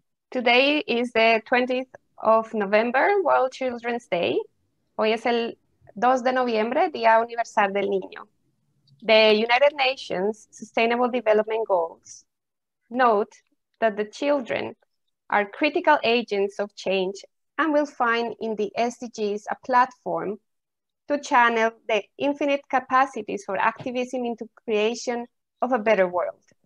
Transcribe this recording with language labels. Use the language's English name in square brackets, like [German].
[English] Today is the 20th of November, World Children's Day. [Spanish] Hoy es el 2 de noviembre, Día Universal del Niño. [English] The United Nations Sustainable Development Goals. Note that the children are critical agents of change and will find in the SDGs a platform to channel the infinite capacities for activism into creation of a better world.